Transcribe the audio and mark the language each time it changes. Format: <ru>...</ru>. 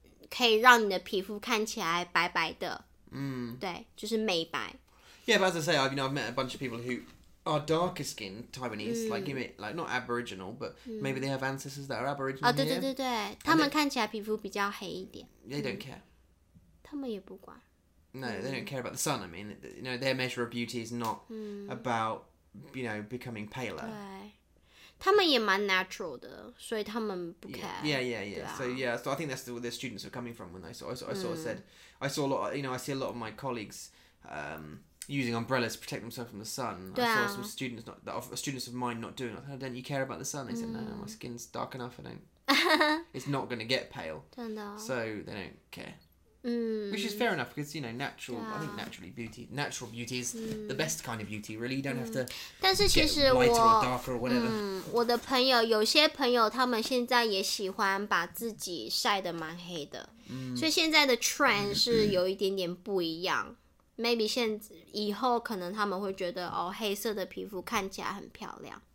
<zh>可以让你的皮肤看起来白白的，对，就是美白。</zh> <en>Yeah, but as I say, I've met a bunch of people who are darker skinned Taiwanese, like not Aboriginal, but maybe they have ancestors that are Aboriginal.</en> <zh>哦，对，他们看起来皮肤比较黑一点。</zh> <en>They don't care.</en> <zh>他们也不管。</zh> <en>No, they don't care about the sun. I mean, you know, their measure of beauty is not about you know becoming paler.</en> <zh>他们也蛮 natural 的，所以他们不 care。</zh> <en>Yeah. So I think that's the students are coming from when I saw a lot. You know, I see a lot of my colleagues using umbrellas to protect themselves from the sun. I saw some students not doing. I thought, don't you care about the sun? They said, no, my skin's dark enough. I don't. It's not going to get pale.</en> <zh>真的。</zh> <en>So they don't care.</en> <zh>嗯。</zh> <en>Which is fair enough because you know natural. I think natural beauty is the best kind of beauty. Really, you don't have to.</en> <zh>但是其实我，我的朋友有些朋友他们现在也喜欢把自己晒得蛮黑的。所以现在的 trend 是有一点点不一样。 Maybe 现在以后可能他们会觉得哦，黑色的皮肤看起来很漂亮。</zh>